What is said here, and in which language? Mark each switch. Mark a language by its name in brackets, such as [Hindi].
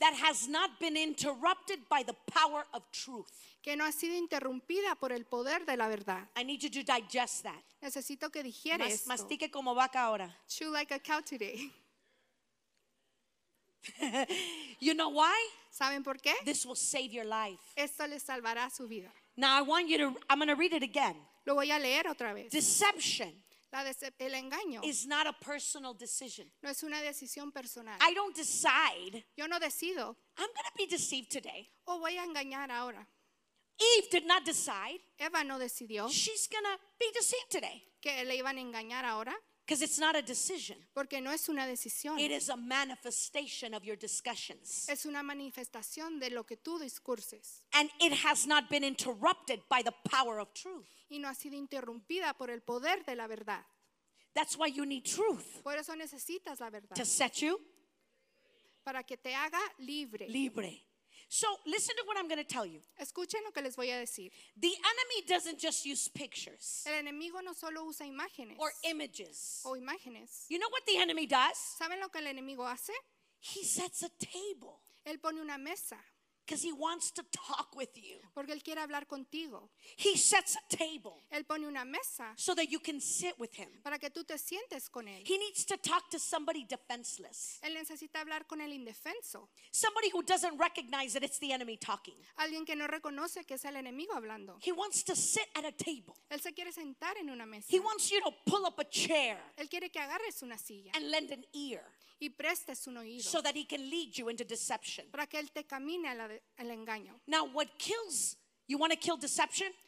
[English] That has not been interrupted by the power of truth. [Spanish] Que no ha sido interrumpida por el poder de la verdad. [English] I need you to digest that. [Spanish] Necesito que digieras esto. Mastique como vaca ahora. [English] Chew like a cow today. You know why? [Spanish] ¿Saben por qué? [English] This will save your life. [Spanish] Esto le salvará su vida. [English] Now I want you to, I'm going to read it again. [Spanish] Lo voy a leer otra vez. [English] Deception, [Spanish] el engaño, [English] is not a personal decision. [Spanish] No es una decisión personal. [English] I don't decide. [Spanish] Yo no decido. [English] I'm going to be deceived today. [Spanish] O voy a engañar ahora. [English] Eve did not decide. [Spanish] Eva no decidió. [English] She's going to be deceived today. [Spanish] Que le iban a engañar ahora. [English] Because it's not a decision. [Spanish] Porque no es una decisión. [English] It is a manifestation of your discussions. [Spanish] Es una manifestación de lo que tú discurses. [English] And it has not been interrupted by the power of truth. [Spanish] Y no ha sido interrumpida por el poder de la verdad. [English] That's why you need truth. [Spanish] Por eso necesitas la verdad. [English] To set you. [Spanish] Para que te haga libre. Libre. [English] So listen to what I'm going to tell you. [Spanish] Escuchen lo que les voy a decir. [English] The enemy doesn't just use pictures. [Spanish] El enemigo no solo usa imágenes. [English] Or images. [Spanish] O imágenes. [English] You know what the enemy does? [Spanish] ¿Saben lo que el enemigo hace? [English] He sets a table. [Spanish] Él pone una mesa. [English] Because he wants to talk with you. [Spanish] Porque él quiere hablar contigo. [English] He sets a table. [Spanish] Él pone una mesa. [English] So that you can sit with him. [Spanish] Para que tú te sientes con él. [English] He needs to talk to somebody defenseless. [Spanish] Él necesita hablar con el indefenso. [English] Somebody who doesn't recognize that it's the enemy talking. [Spanish] Alguien que no reconoce que es el enemigo hablando. [English] He wants to sit at a table. [Spanish] Él se quiere sentar en una mesa. [English] He wants you to pull up a chair. [Spanish] Él quiere que agarres una silla. [English] And lend an ear. [Spanish] Y prestes un oído. [English] So that he can lead you into deception. [Spanish] Para que él te camine al engaño. [English] Now what kills, you want to kill deception?